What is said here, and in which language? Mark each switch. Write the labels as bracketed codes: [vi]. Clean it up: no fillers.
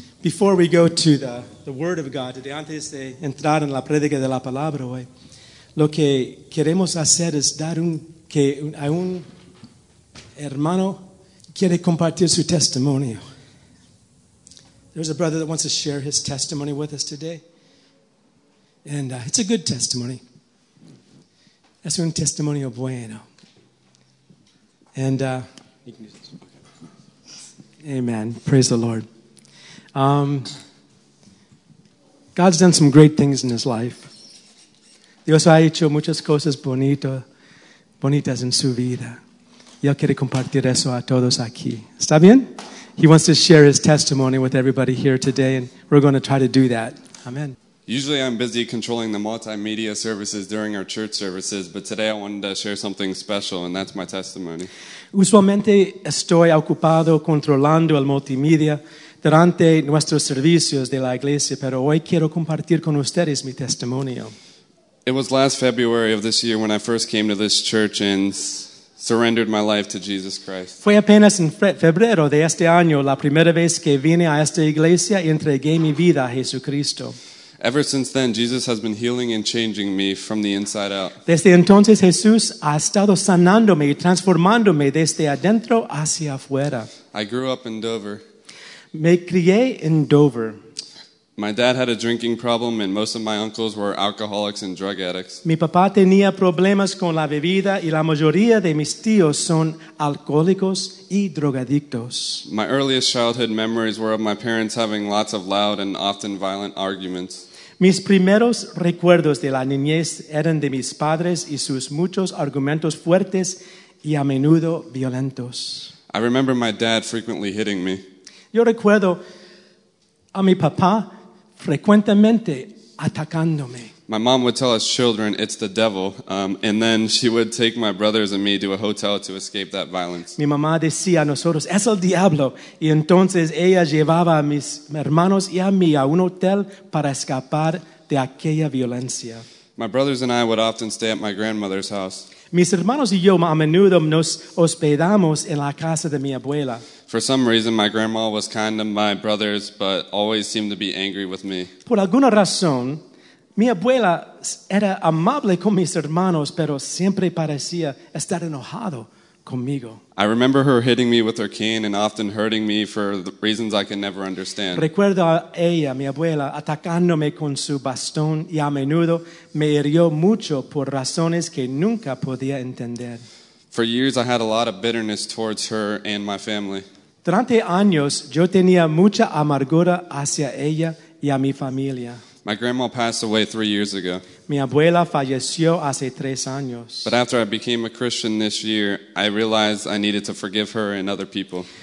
[en] Before we go to the Word of God today, [es] antes de entrar en la prédica de la palabra hoy, lo que queremos hacer es dar un que a un hermano quiere compartir su testimonio. [en] There's a brother that wants to share his testimony with us today. And it's a good testimony. [es] Es un testimonio bueno. [en] And amen. Praise the Lord. God's done some great things in his life. [es] Dios ha hecho muchas cosas bonitas en su vida. Y él quiere compartir eso a todos aquí. ¿Está bien? [en] He wants to share his testimony with everybody here today, and we're going to try to do that. Amen. Usually I'm busy controlling the multimedia services during our church services, but today I wanted to share something special, and that's my testimony. [es] Usualmente estoy ocupado controlando el multimedia durante nuestros servicios de la iglesia, pero hoy quiero compartir con ustedes mi testimonio. [en] It was last February of this year when I first came to this church and surrendered my life to Jesus Christ. [es] Fue apenas en febrero de este año la primera vez que vine a esta iglesia y entregué mi vida a Jesucristo. [en] Ever since then, Jesus has been healing and changing me from the inside out. [es] Desde entonces, Jesús ha estado sanándome y transformándome desde adentro hacia afuera. [en] I grew up in Dover. [es] Me crié en Dover. [en] My dad had a drinking problem, and most of my uncles were alcoholics and drug addicts. [es] Mi papá tenía problemas con la bebida, y la mayoría de mis tíos son alcohólicos y drogadictos. [en] My earliest childhood memories were of my parents having lots of loud and often violent arguments. [es] Mis primeros recuerdos de la niñez eran de mis padres y sus muchos argumentos fuertes y a menudo violentos. [en] I remember my dad frequently hitting me. [es] Yo recuerdo a mi papá frecuentemente atacándome. [en] My mom would tell us children, it's the devil. And then she would take my brothers and me to a hotel to escape that violence. [es] Mi mamá decía a nosotros, es el diablo. Y entonces ella llevaba a mis hermanos y a mí a un hotel para escapar de aquella violencia. [en] My brothers and I would often stay at my grandmother's house. [es] Mis hermanos y yo a menudo nos hospedamos en la casa de mi abuela. [en] For some reason, my grandma was kind to my brothers, but always seemed to be angry with me. [es] Por alguna razón, mi abuela era amable con mis hermanos, pero siempre parecía estar enojado conmigo. [en] I remember her hitting me with her cane and often hurting me for reasons I can never understand. [es] Recuerdo a ella, mi abuela, atacándome con su bastón y a menudo me hirió mucho por razones que nunca podía entender. [en] For years, I had a lot of bitterness towards her and my family. [es] Durante años, yo tenía mucha amargura hacia ella y a mi familia. [en] My grandma passed away 3 years ago. [es] Mi abuela falleció hace 3 años. [en] But after I became a Christian this year, I realized I needed to forgive her and other people.